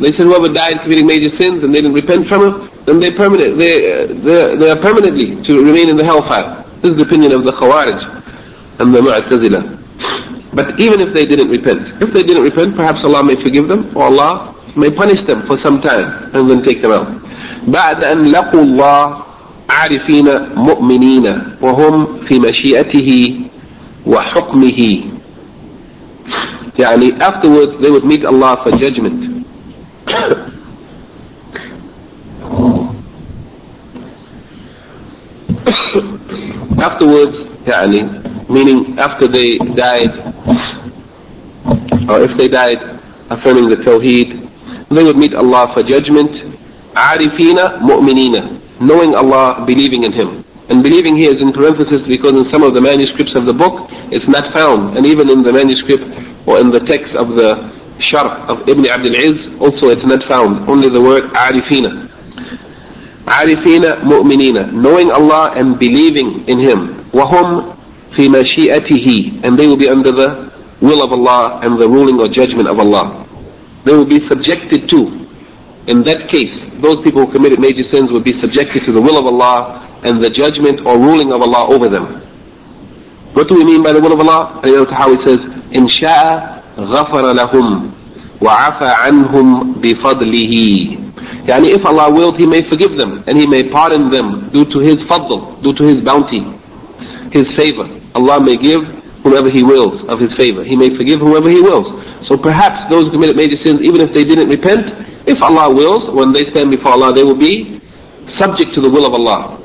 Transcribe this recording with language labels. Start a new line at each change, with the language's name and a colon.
English: They said whoever died committing major sins and they didn't repent from it, then they are permanently to remain in the hellfire. This is the opinion of the Khawarij and the Mu'tazila. But even if they didn't repent, if they didn't repent, perhaps Allah may forgive them, or Allah may punish them for some time and then take them out.
Arabic: بعد أن لقوا الله عارفين مؤمنين وهم في مشيئته وحكمه.
English: يعني afterwards they would meet Allah for judgment. Afterwards, يعني meaning after they died, or if they died affirming the Tawheed, they would meet Allah for judgment.
Arabic: عارفين مؤمنين,
English: knowing Allah, believing in Him. And believing here is in parenthesis because in some of the manuscripts of the book it's not found, and even in the manuscript or in the text of the Sharh of Ibn Abdul Izz also it's not found, only the word عارفين.
Arabic: عارفين مؤمنين,
English: knowing Allah and believing in Him.
Arabic: وهم في مشيئته,
English: and they will be under the will of Allah and the ruling or judgment of Allah. They will be subjected to, in that case, those people who committed major sins would be subjected to the will of Allah and the judgment or ruling of Allah over them. What do we mean by the will of Allah? Ayat al-Tahawi says,
Arabic: إِنْ شَاءَ غَفَرَ لَهُمْ وَعَفَى عَنْهُمْ بِفَضْلِهِ.
English: يعني if Allah willed, He may forgive them and He may pardon them due to His fadl, due to His bounty, His favor. Allah may give whomever He wills of His favor. He may forgive whoever He wills. So perhaps those who committed major sins, even if they didn't repent, if Allah wills, when they stand before Allah, they will be subject to the will of Allah.